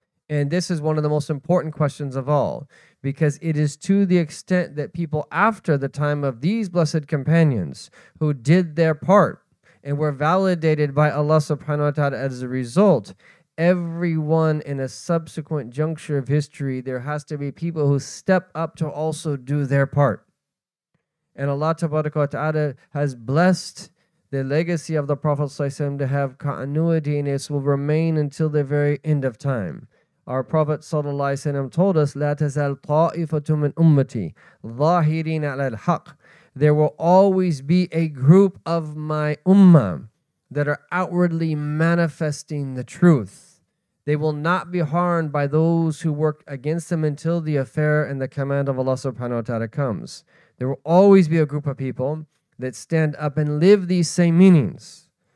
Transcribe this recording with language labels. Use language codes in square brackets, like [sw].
[en] And this is one of the most important questions of all, because it is to the extent that people after the time of these blessed companions who did their part and were validated by Allah subhanahu wa ta'ala as a result, everyone in a subsequent juncture of history, there has to be people who step up to also do their part. And Allah tabaraka wa ta'ala has blessed the legacy of the Prophet sallallahu alaihi wasallam to have continuity, and this will remain until the very end of time. Our Prophet sallallahu alaihi wasallam told us, [ar] لَا تَزَلْ طَائِفَةٌ مِنْ أُمَّتِي ظَاهِرِينَ عَلَى الْحَقِّ. [en] There will always be a group of my ummah that are outwardly manifesting the truth. They will not be harmed by those who work against them until the affair and the command of Allah subhanahu wa ta'ala comes. There will always be a group of people that stand up and live these same meanings.